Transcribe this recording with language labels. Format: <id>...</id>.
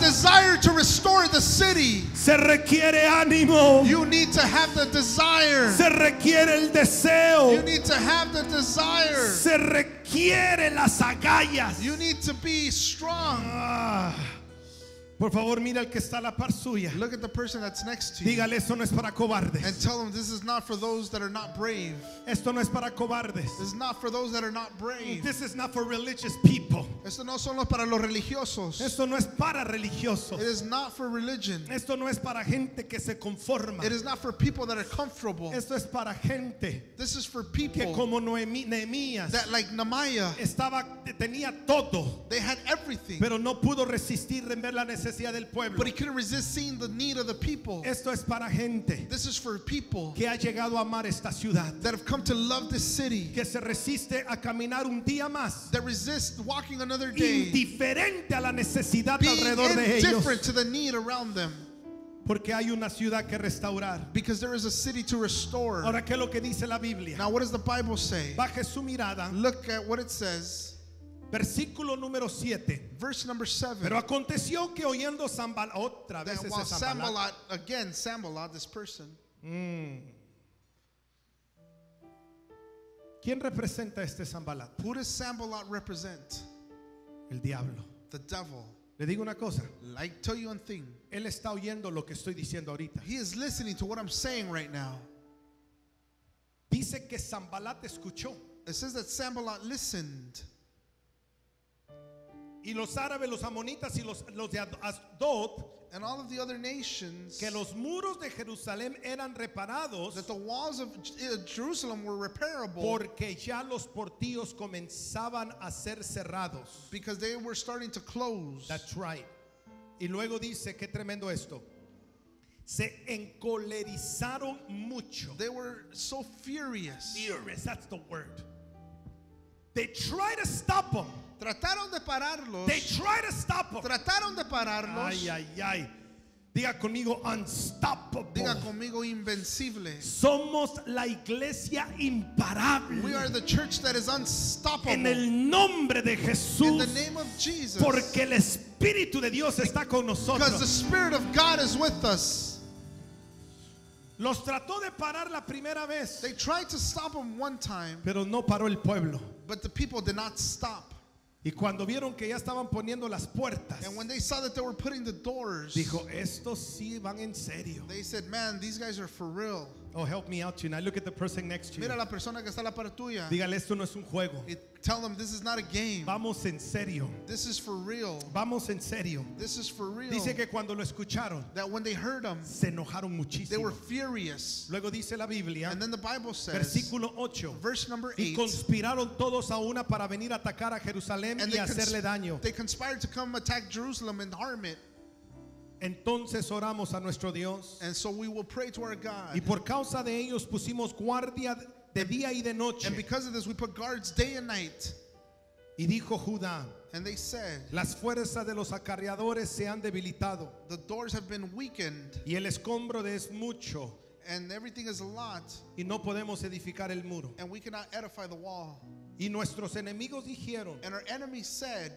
<en>The desire to restore the city.</en> <es>Se requiere ánimo.</es> <en>You need to have the desire.</en> <es>Se requiere el deseo.</es> <en>You need to have the desire.</en> <es>Se requiere las agallas.</es> <en>You need to be strong.</en> <es>Por favor, mira al que está a la par suya.</es> <en>Look at the person that's next to you.</en> <es>Dígale, esto no es para cobardes.</es> <en>And tell them this is not for those that are not brave.</en> <es>Esto no es para cobardes.</es> <en>This is not for those that are not brave. This is not for religious people.</en> <es>Esto no son para los religiosos. Esto no es para religiosos.</es> <en>It is not for religion.</en> <es>Esto no es para gente que se conforma.</es> <en>It is not for people that are comfortable.</en> <es>Esto es para gente.</es> <en>This is for people.</en> <es>Que como Nehemías.</es> <en>That like Nehemiah.</en> <es>Estaba, tenía todo.</es> <en>They had everything.</en> <es>Pero no pudo resistir en ver la necesidad.</es> <en>But he couldn't resist seeing the need of the people.</en> <es>Esto es para gente.</es> <en>This is for people</en> <es>que ha llegado a amar esta ciudad.</es> <en>That have come to love this city.</en> <es>Que se resiste a caminar un día más.</es> <en>That resist walking another day.</en> <es>Indiferente a la necesidad</es> <en>being</en> <es>alrededor de ellos.</es> <en>Indifferent to the need around them.</en> <es>Porque hay una ciudad que restaurar.</es> <en>Because there is a city to restore.</en> <es>Ahora, ¿qué es lo que dice la Biblia?</es> <en>Now what does the Bible say?</en> <es>Baje su mirada.</es> <en>Look at what it says.</en> <es>Versículo número 7.</es> <en>Verse number 7.</en> <es>Pero aconteció que oyendo Sambal otra vez ese</es> <en>Sambalot, again Sambalot, this person.</en> <es>¿Quién representa este Sambalot?</es> <en>Who does Sambalot represent?</en> <es>El diablo.</es> <en>The devil.</en> <es>Le digo una cosa.</es> <en>I tell you one thing.</en> <es>Él está oyendo lo que estoy diciendo ahorita.</es> <en>He is listening to what I'm saying right now.</en> <es>Dice que Sambalot escuchó.</es> <en>It says that Sambalot listened.</en> <es>Y los árabes, los amonitas y los de Asdod,</es> <en>and all of the other nations,</en> <es>que los muros de Jerusalén eran reparados,</es> <en>that the walls of Jerusalem were repairable,</en> <es>porque ya los portillos comenzaban a ser cerrados,</es> <en>because they were starting to close. That's right.</en> <es>Y luego dice, qué tremendo esto. Se encolerizaron mucho.</es> <en>They were so furious. Furious, that's the word. They tried to stop them.</en> <es>Trataron de pararlos.</es> <en>They tried to stop them.</en> <es>Trataron de pararlos. Ay, ay, ay. Diga conmigo, unstoppable. Diga conmigo, invencible. Somos la iglesia imparable.</es> <en>We are the church that is unstoppable.</en> <es>En el nombre de Jesús.</es> <en>In the name of Jesus.</en> <es>Porque el Espíritu de Dios está con nosotros.</es> <en>Because the Spirit of God is with us.</en> <es>Los trató de parar la primera vez.</es> <en>They tried to stop them one time.</en> <es>Pero no paró el pueblo.</es> <en>But the people did not stop.</en> <es>Y cuando vieron que ya estaban poniendo las puertas,</es> <en>and when they saw that they were putting the doors,</en> <es>dijo, estos sí van en serio.</es> <en>They said, man, these guys are for real. Oh, help me out tonight. Look at the person next to you.</en> <es>Mira la persona que está a la par tuya. Dígale, esto no es un juego.</es> <en>Tell them this is not a game.</en> <es>Vamos en serio.</es> <en>This is for real.</en> <es>Vamos en serio.</es> <en>This is for real.</en> <es>Dice que cuando lo escucharon,</es> <en>that when they heard him,</en> <es>se enojaron muchísimo.</es> <en>They were furious.</en> <es>Luego dice la Biblia,</es> <en>and then the Bible says,</en> <es>versículo 8,</es> <en>verse number 8,</en> <es>y conspiraron todos a una para venir a atacar a Jerusalén y hacerle daño.</es> <en>They conspired to come attack Jerusalem and harm it.</en> <es>Entonces oramos a nuestro Dios.</es> <en>And so we will pray to our God.</en> <es>Y por causa de ellos pusimos guardia de día y de noche.</es> <en>And because of this we put guards day and night.</en> <es>Y dijo Judá,</es> <en>and they said,</en> <es>las fuerzas de los acarreadores se han debilitado.</es> <en>The doors have been weakened.</en> <es>Y el escombro de es mucho.</es> <en>And everything is a lot.</en> <es>Y no podemos edificar el muro.</es> <en>And we cannot edify the wall.</en> <es>Y nuestros enemigos dijeron,</es> <en>and our enemies said,</en>